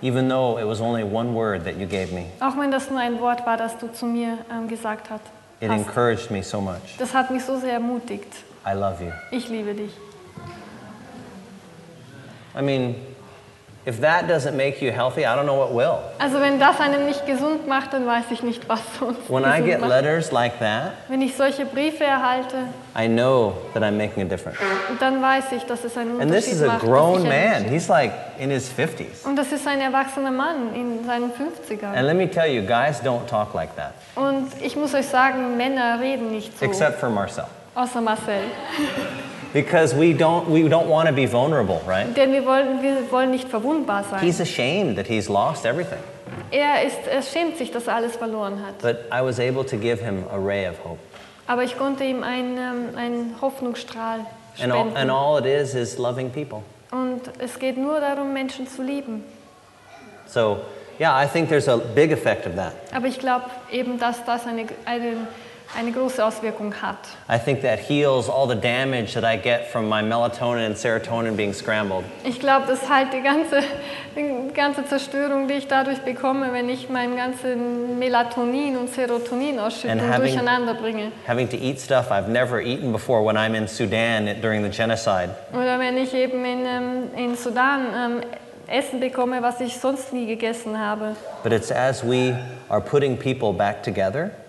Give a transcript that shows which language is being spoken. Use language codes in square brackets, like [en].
[en] Even though it was only one word that you gave me. [de] Auch wenn das nur ein Wort war, das du zu mir gesagt hast. [en] It encouraged me so much. [de] Das hat mich so sehr ermutigt. [en] I love you. [de] Ich liebe dich. [en] I mean, if that doesn't make you healthy, I don't know what will. [de] Also wenn das einen nicht gesund macht, dann weiß ich nicht, was sonst. [en] When I get letters like that, [de] wenn ich solche Briefe erhalte, [en] I know that I'm making a difference. [de] Dann weiß ich, dass es einen Unterschied macht. [en] And this is a grown man. He's like in his 50s. [de] Und das ist ein erwachsener Mann in seinen 50ern. [en] And let me tell you, guys don't talk like that. [de] Und ich muss euch sagen, Männer reden nicht so. [en] Except for Marcel. [de] Außer Marcel. [en] Because we don't want to be vulnerable, right? [de] Denn wir wollen nicht verwundbar sein. [en] He's ashamed that he's lost everything. [de] Er schämt sich, dass alles verloren hat. [en] But I was able to give him a ray of hope. [de] Aber ich konnte ihm einen Hoffnungsstrahl spenden. [en] And all it is loving people. [de] Und es geht nur darum, Menschen zu lieben. [en] So, yeah, I think there's a big effect of that. [de] Aber ich glaube eben, dass das einen eine große Auswirkung hat. [en] I think that heals all the damage that I get from my melatonin and serotonin being scrambled. [de] Ich glaube, das heilt die ganze Zerstörung, die ich dadurch bekomme, wenn ich meinen ganzen Melatonin und Serotoninausschüttung durcheinander bringe. [en] Having to eat stuff I've never eaten before when I'm in Sudan during the genocide. [de] Oder wenn ich eben in Sudan Essen bekomme, was ich sonst nie gegessen habe. [en] But it's as we are putting people back together.